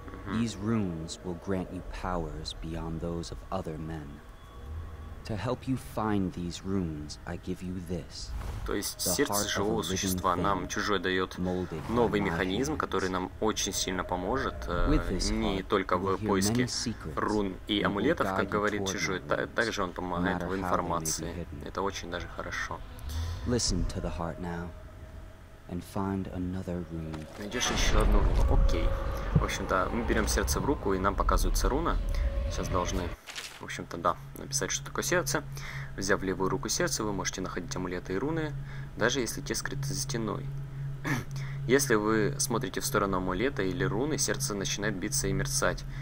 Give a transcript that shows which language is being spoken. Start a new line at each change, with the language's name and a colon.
English: These runes will grant you powers beyond those of other men. To help you find these runes, I give you this.
Russian: То есть сердце живого существа нам чужой дает новый механизм, который нам очень сильно поможет не только в поиске рун и амулетов, как говорит чужой, также он помогает в информации. Это очень даже хорошо.
English: Listen to the heart now and find another rune.
Russian: Найдешь еще одну. Окей. В общем-то, мы берем сердце в руку и нам показывается руна. Сейчас должны. В общем-то, да, написать, что такое сердце. Взяв левую руку сердце, вы можете находить амулеты и руны, даже если те скрыты за стеной. Если вы смотрите в сторону амулета или руны, сердце начинает биться и мерцать.